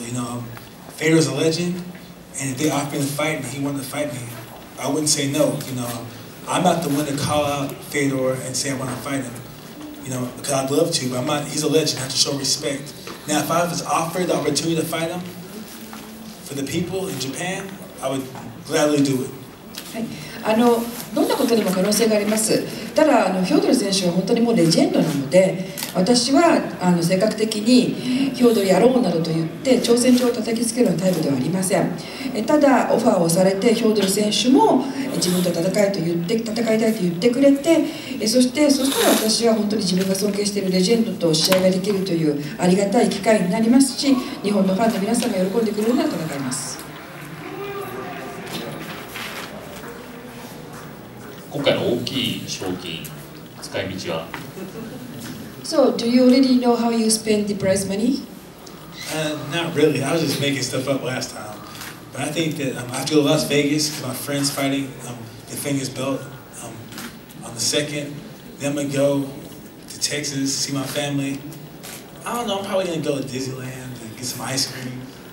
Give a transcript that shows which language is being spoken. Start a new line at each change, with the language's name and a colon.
English: You know, Fedor's a legend, and if they offered to fight me, he wanted to fight me, I wouldn't say no. You know, I'm not the one to call out Fedor and say I want to fight him. You know, because I'd love to, but I'm not, he's a legend. I have to show respect. Now, if I was offered the opportunity to fight him for the people in Japan, I would gladly do it.
Japanese: あのどんなことにも可能性があります。ただあのフィョードル選手は本当にもうレジェンドなので、私はあの性格的にフィョードルやろうなどと言って挑戦状を叩きつけるタイプではありません。ただオファーをされて、フィョードル選手も自分と戦いと言って戦いたいと言ってくれて、そしてそしたら私は本当に自分が尊敬しているレジェンドと試合ができるというありがたい機会になりますし、日本のファンの皆さんが喜んでくれるなら戦います。今回の大きい賞金、使い道は
English: So, do you already know how you spend the prize money? Not really. I was just making stuff up last time. But I think that I have to go to Las Vegas because my friend's fighting, defending his belt, on the second. Then I'm going to go to Texas to see my family. I don't know, I'm probably going to go to Disneyland and get some ice cream.